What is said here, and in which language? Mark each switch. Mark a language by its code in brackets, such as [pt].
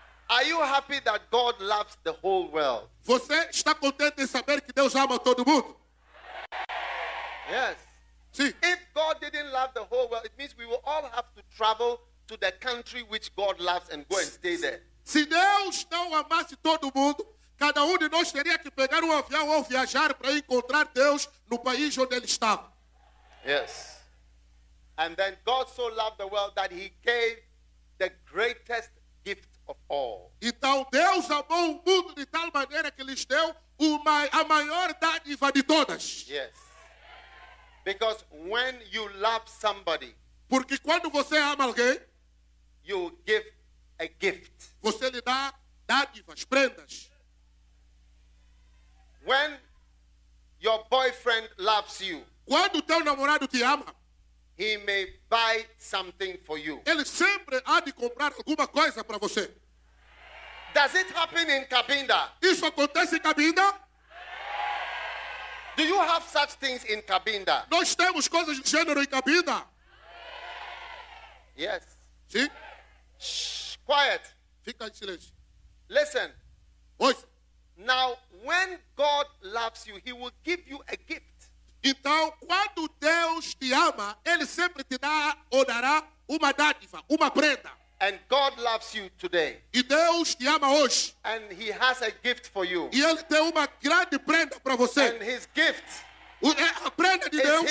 [en] Are you happy that God loves the whole world? [pt] Você está contente em saber que Deus ama todo mundo? [en] Yes. [pt] Sim. [en] If God didn't love the whole world, it means we will all have to travel to the country which God loves and go and stay there. [pt] Se Deus não amasse todo mundo, cada de nós teria que pegar avião ou viajar para encontrar Deus no país onde ele estava. [en] Yes. And then God so loved the world that he gave the greatest gift of all. [pt] Então Deus amou o mundo de tal maneira que lhes deu a maior dádiva de todas. [en] Yes. Because when you love somebody, [pt] porque quando você ama alguém, [en] you give a gift. [pt] Você lhe dá dádivas, prendas. [en] When your boyfriend loves you, [pt] quando teu namorado te ama, [en] he may buy something for you. [pt] Ele sempre há de comprar alguma coisa para você. [en] Does it happen in Cabinda? [pt] Isso acontece em Cabinda? [en] Do you have such things in Cabinda? [pt] Nós temos coisas de gênero em Cabinda? [en] Yes. [pt] Sim. [en] Shh, quiet. [pt] Fica em silêncio. [en] Listen. [pt] Ouça. [en] Now, when God loves you, he will give you a gift. [pt] Então, quando Deus te ama, ele sempre te dá ou dará uma dádiva, uma prenda. [en] And God loves you today. [pt] E Deus te ama hoje. [en] And he has a gift for you. [pt] E ele tem uma grande prenda para você. [en] And his gift, [pt] a prenda de Deus,